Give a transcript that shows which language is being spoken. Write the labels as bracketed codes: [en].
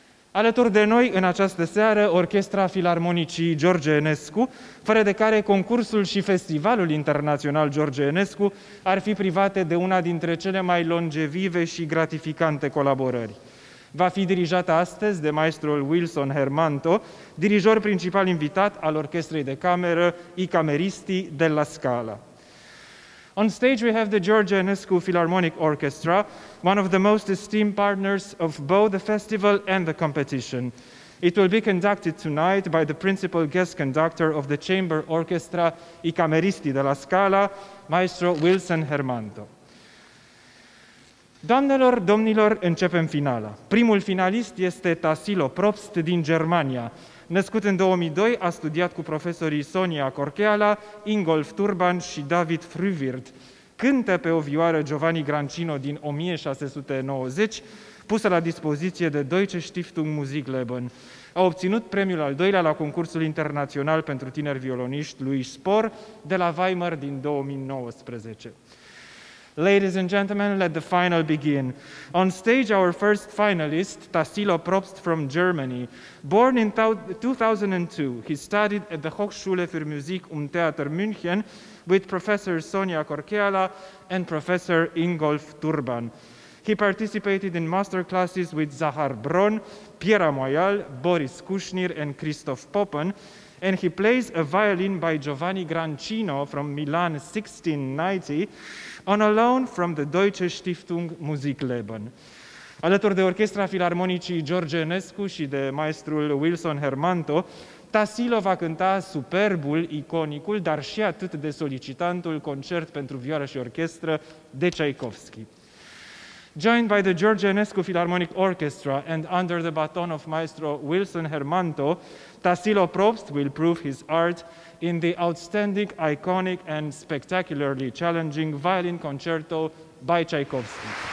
[ro] Alături de noi în această seară, Orchestra Filarmonicii George Enescu, fără de care concursul și Festivalul Internațional George Enescu ar fi private de una dintre cele mai longevive și gratificante colaborări. Va fi dirijată astăzi de maestrul Wilson Hermanto, dirijor principal invitat al Orchestrei de Cameră I Cameristi della Scala. [en] On stage we have the George Enescu Philharmonic Orchestra, one of the most esteemed partners of both the festival and the competition. It will be conducted tonight by the principal guest conductor of the chamber orchestra I Cameristi della Scala, Maestro Wilson Hermanto. [ro] Doamnelor, domnilor, începem finala. Primul finalist este Tassilo Probst din Germania. Născut în 2002, a studiat cu profesorii Sonia Corcheala, Ingolf Turban și David Frühwirth. Cântă pe o vioară Giovanni Grancino din 1690, pusă la dispoziție de Deutsche Stiftung Musikleben. A obținut premiul al doilea la concursul internațional pentru tineri violoniști lui Spor de la Weimar din 2019. [en] Ladies and gentlemen, let the final begin. On stage, our first finalist, Tassilo Probst from Germany. Born in 2002, he studied at the Hochschule für Musik und Theater München with Professor Sonia Korkeala and Professor Ingolf Turban. He participated in master classes with Zahar Bron, Pierre Moyal, Boris Kushnir, and Christoph Poppen, and he plays a violin by Giovanni Grancino from Milan 1690, on a loan from the Deutsche Stiftung Musikleben. [ro] Alături de Orchestra Filarmonicii George Enescu și de maestrul Wilson Hermanto, Tassilo va cânta superbul, iconicul, dar și atât de solicitantul concert pentru vioară și orchestră de Tchaikovsky. [en] Joined by the George Enescu Philharmonic Orchestra and under the baton of maestro Wilson Hermanto, Tassilo Probst will prove his art in the outstanding, iconic, and spectacularly challenging Violin Concerto by Tchaikovsky.